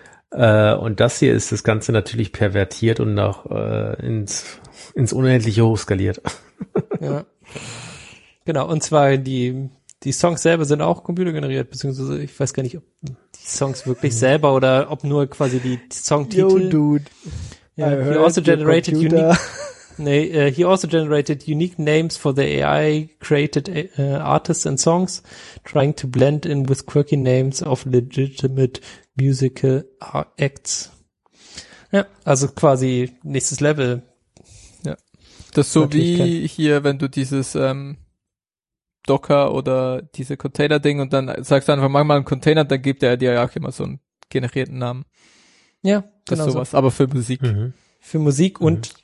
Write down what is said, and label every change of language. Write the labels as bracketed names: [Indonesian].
[German] Und das hier ist das Ganze natürlich pervertiert und noch ins Unendliche hochskaliert. Ja. Genau, und zwar die Songs selber sind auch computergeneriert, beziehungsweise ich weiß gar nicht, ob die Songs wirklich selber oder ob nur quasi die Songtitel. [English] Yo, dude. Yeah, he also generated unique names for the AI created artists and songs, trying to blend in with quirky names of legitimate musical acts. [German] Ja, also quasi nächstes Level. Ja. Das ist so wie hier, wenn du dieses, Docker oder diese Container-Ding und dann sagst du einfach, mach mal einen Container, dann gibt er dir ja auch immer so einen generierten Namen. Ja, genau. Das sowas, so. Aber für Musik. Mhm. Für Musik und